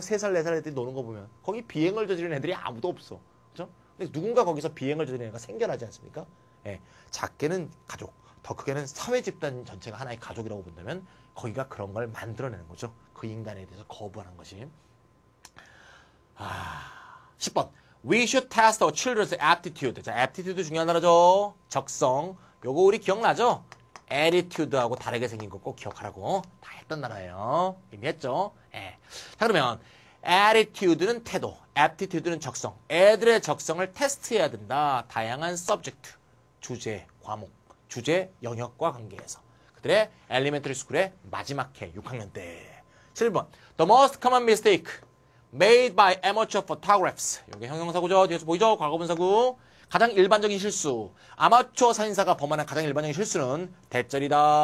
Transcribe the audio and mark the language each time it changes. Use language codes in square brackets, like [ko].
[ko] 3살, 4살 애들 노는 거 보면 거기 비행을 저지른 애들이 아무도 없어. 근데 누군가 거기서 비행을 저지르는 애가 생겨나지 않습니까? 예, 작게는 가족, 더 크게는 사회 집단 전체가 하나의 가족이라고 본다면 거기가 그런 걸 만들어내는 거죠. 그 인간에 대해서 거부하는 것이. 10번. [en] We should test our children's aptitude. [ko] 자, aptitude 중요한 단어죠. 적성. 요거 우리 기억나죠? attitude하고 다르게 생긴 거 꼭 기억하라고. 다 했던 단어예요. 이미 했죠? 예. 자, 그러면 attitude는 태도, aptitude는 적성. 애들의 적성을 테스트해야 된다. 다양한 subject, 주제, 과목, 주제, 영역과 관계해서. 그들의 elementary school의 마지막 해, 6학년 때. 7번. [en] The most common mistake made by amateur photographers. [ko] 이게 형용사구죠. 뒤에서 보이죠? 과거분사구. 가장 일반적인 실수. 아마추어 사진사가 범하는 가장 일반적인 실수는 대절이다.